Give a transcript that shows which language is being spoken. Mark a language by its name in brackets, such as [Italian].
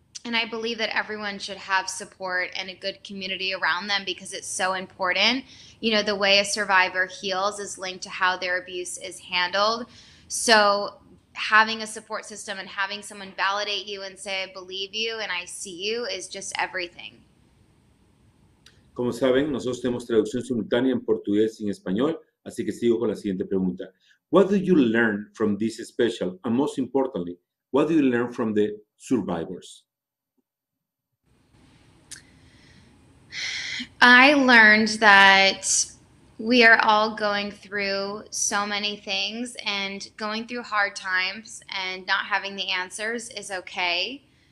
[English] And I believe that everyone should have support and a good community around them, because it's so important. You know, the way a survivor heals is linked to how their abuse is handled. So having a support system and having someone validate you and say, I believe you and I see you, is just everything. [Spanish] Como saben, nosotros tenemos traducción simultánea en portugués y en español, así que sigo con la siguiente pregunta. [English] What do you learn from this special? And most importantly, what do you learn from the survivors? I learned that we are all going through so many things, and going through hard times and not having the answers is okay.